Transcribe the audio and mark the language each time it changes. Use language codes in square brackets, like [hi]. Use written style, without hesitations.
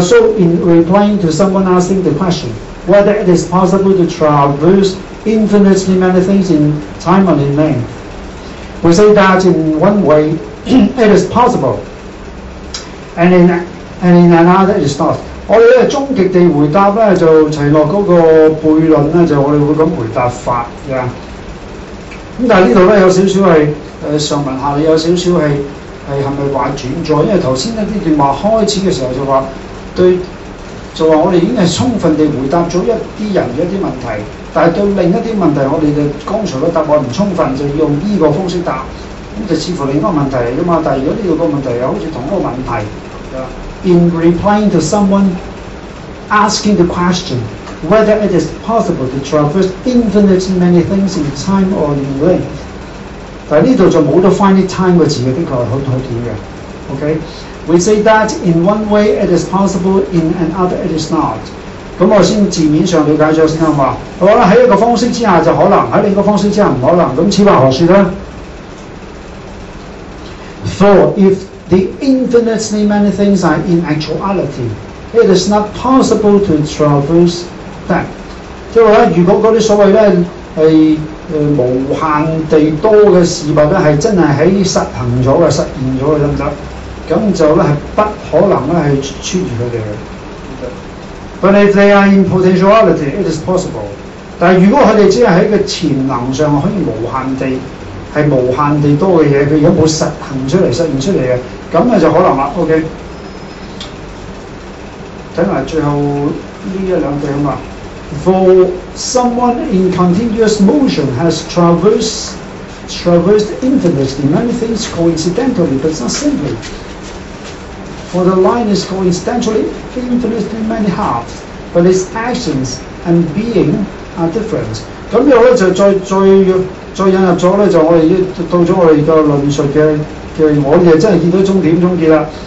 [en] So in replying to someone asking the question whether it is possible to traverse infinitely many things in time and in length, we say that in one way it is possible, and in another it is not。 [yue] 我哋咧終極地回答咧就齊落嗰個悖論咧，就我哋會咁回答法嘅。咁但係呢度咧有少少係上文下理，有少少係係係咪話轉咗？因為頭先咧啲電話開始嘅時候就話對，就話我哋已經係充分地回答咗一啲人嘅一啲問題，但係對另一啲問題，我哋嘅剛才嘅答案唔充分，就用依個方式答，咁就似乎另一個問題嚟噶嘛。但係如果呢度個問題又好似同一個問題 [en] ，in replying to someone asking the question whether it is possible to traverse infinitely many things in time or in length。 [yue] 但係呢度就冇咗 [en] finite time [yue] 嘅字嘅，的確係好妥帖嘅。 [en] OK， we say that in one way it is possible, in another it is not。 [yue] 咁我先字面上了解咗先啦，話可能喺一個方式之下就可能，喺另一個方式之下唔可能。咁此話何説咧 [en] ？For if the infinitely many things are in actuality, it is not possible to traverse that。 [yue] 即係話咧，如果嗰啲所謂咧係無限地多嘅事物咧，係真係喺實行咗嘅、實現咗嘅，得唔得？咁就咧係不可能咧係穿越佢哋嘅。 [en] But if they are in potentiality, it is possible。 [yue] 但如果佢哋只係喺個潛能上可以無限地係無限地多嘅嘢，佢如果冇實行出嚟、實現出嚟嘅，咁啊就可能啦。 OK， 睇埋最後呢一兩句啊。 [en] For someone in continuous motion has traversed infinitely many things coincidentally, but not simply. For the line is coincidentally infinitely many halves, but its actions and being are different. [yue] 咁又咧就再引入咗咧，就我哋到咗我哋個論述嘅，我哋真係見到終結啦。